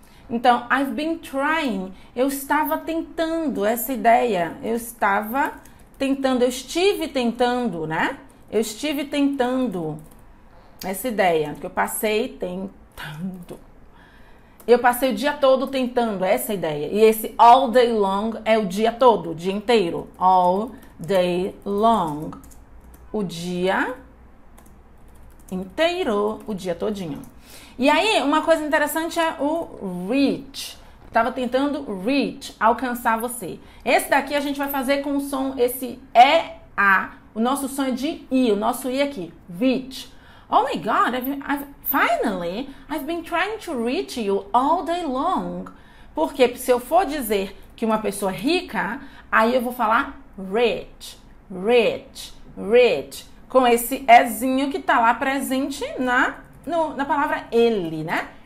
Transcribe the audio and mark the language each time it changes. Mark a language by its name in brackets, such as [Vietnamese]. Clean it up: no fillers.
[Portuguese] Então, [English] I've been trying, [Portuguese] eu estava tentando essa ideia, eu estive tentando essa ideia, que eu passei tentando, eu passei o dia todo tentando essa ideia, e esse [English] all day long [Portuguese] é o dia todo, o dia inteiro, all day long, o dia inteiro, o dia todinho. E aí, uma coisa interessante é o reach. Tava tentando reach, alcançar você. Esse daqui a gente vai fazer com o som, esse é a. O nosso som é de i, o nosso i aqui. [English] Reach. Oh my God, I've been trying to reach you all day long. [Portuguese] Porque se eu for dizer que uma pessoa é rica, aí eu vou falar rich, rich, rich. Com esse ezinho que tá lá presente na palavra ele, né?